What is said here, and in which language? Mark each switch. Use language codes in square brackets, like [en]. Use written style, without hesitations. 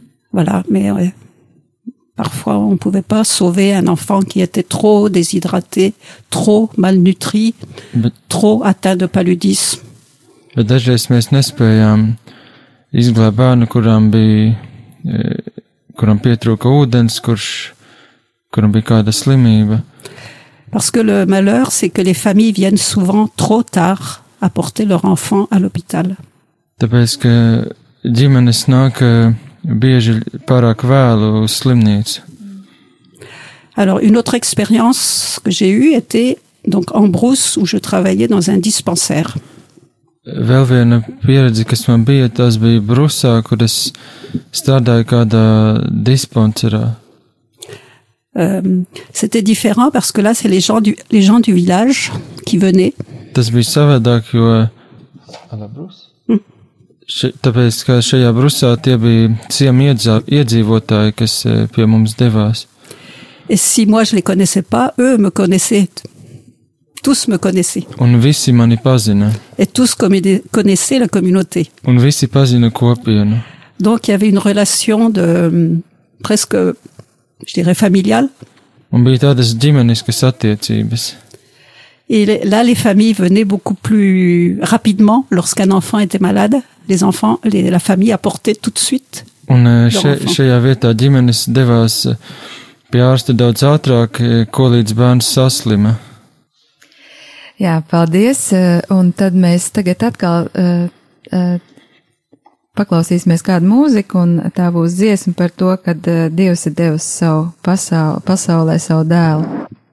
[fr] Voilà, mais parfois on pouvait pas sauver un enfant qui était trop déshydraté, trop malnutri, trop atteint de paludisme. [lv] Bet dažreiz mēs nespējām izglābt bērnu, kuram bija kuram pietrūka ūdens, kuram bija kāda slimība. [fr] Parce que le malheur c'est que les familles viennent souvent trop tard apporter leur enfant à l'hôpital. [lv] Tāpēc, ka ģimenes nāk bieži pārāk vēlu uz slimnīcu. [fr] Alors une autre expérience que j'ai eue était donc en Brousse où je travaillais dans un dispensaire. [lv] Vēl viena pieredze, kas man bija, tas bija Brusā, kur es strādāju kādā dispensērā. [fr] C'était différent parce que là c'est les gens du village qui venaient. [lv] Tas bija savādāk, jo tāpēc, ka šajā Brusā tie bija ciem iedzīvotāji, kas pie mums devās. [fr] Et si moi je les connaissais pas, eux me connaissaient. Tous me connaissaient. [lv] Un visi mani pazina. [fr] Et tous connaissaient la communauté. [lv] Un visi pazina kopienu. [fr] Donc il y avait une relation de presque je dirais familiale. [lv] Un bija tādas ģimeniskas attiecības. [fr] Et là les familles venaient beaucoup plus rapidement lorsqu'un enfant était malade, les enfants la famille apportait tout de suite. [lv] Un šajā vietā ģimenes devās pie ārsta daudz ātrāk, kolīdz bērns saslima. Jā, paldies, un tad mēs tagad atkal paklausīsimies kādu mūziku, un tā būs dziesma par to, kad Dievs ir devis savu pasaulē savu dēlu.